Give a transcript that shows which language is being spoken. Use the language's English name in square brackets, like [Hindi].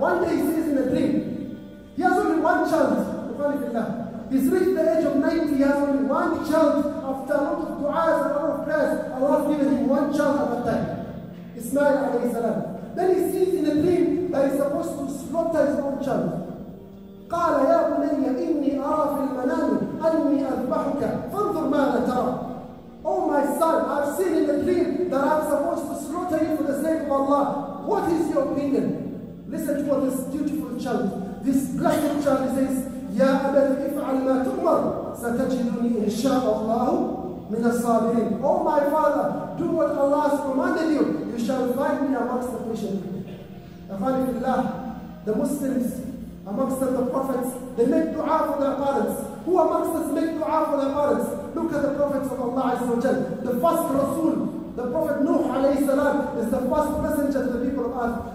[English] One day he sees in a dream. He has only one child. He's reached the age of 90. He has only one child after a lot of du'as and a lot of prayers. Allah has given him one child at that time. Ismail alayhi salam. Then he sees in a dream that he's supposed to slaughter his own child. [Arabic] قال يا بني إني أرى في المنام أني أذبحك فانظر ماذا ترى. [English] Oh my son, I've seen in the dream that I'm supposed to slaughter you for the sake of Allah. What is your opinion? Listen to what this beautiful child, this blessed child says. [Arabic] يا أبت افعل ما تؤمر ستجدني إن شاء الله من الصابرين. [English] Oh my father, do what Allah has commanded you. You shall find me amongst the patient. [Arabic] أفعل الله [English] the Muslims. Amongst them, the prophets, they make dua for their parents. Who amongst us make dua for their parents? Look at the prophets of Allah Azza wa Jal. The first Rasul, the Prophet Nuh alayhi salam, is the first messenger to the people of earth.